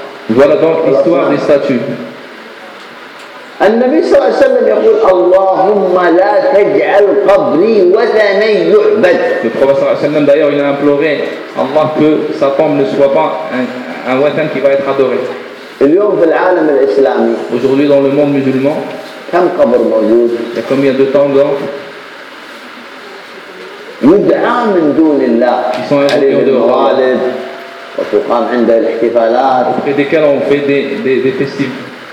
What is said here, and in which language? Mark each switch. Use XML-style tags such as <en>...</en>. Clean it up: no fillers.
<fr>Voilà donc l'histoire des statues.</fr> <ar>النبي صلى الله عليه وسلم يقول اللهم لا تجعل قبري وثني يعبد.</ar> <fr>Le prophète</fr> <ar>صلى الله عليه وسلم</ar> <fr>d'ailleurs il a imploré Allah que sa tombe ne soit pas un wathan qui va être adoré.</fr> <ar>اليوم في العالم الإسلامي.</ar> <fr>Aujourd'hui dans le monde musulman.</fr> <ar>كم قبر موجود؟</ar> <fr>Il y a combien de tombes</fr> <ar>يدعى من دون الله.</ar> <fr>Qui sont</fr> <ar>invoqués وتقام عند الاحتفالات.</ar> <fr>Auprès desquels on fait des festivals.</fr>